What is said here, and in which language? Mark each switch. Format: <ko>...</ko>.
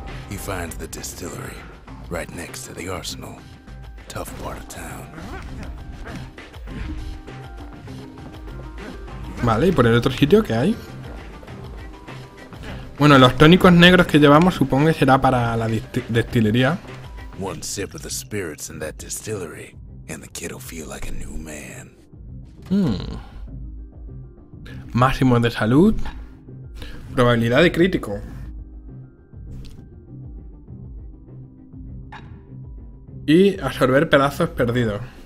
<en>He finds the distillery right next to the arsenal. Tough part of town.</en> <es>Vale, ¿y por el otro sitio qué hay? Bueno, los tónicos negros que llevamos supongo que será para la destilería.</es> <en>One sip of the spirits in that distillery and the kid will feel like a new man.</en> <es>Máximo de salud. Probabilidad de crítico. Y absorber pedazos perdidos.</es>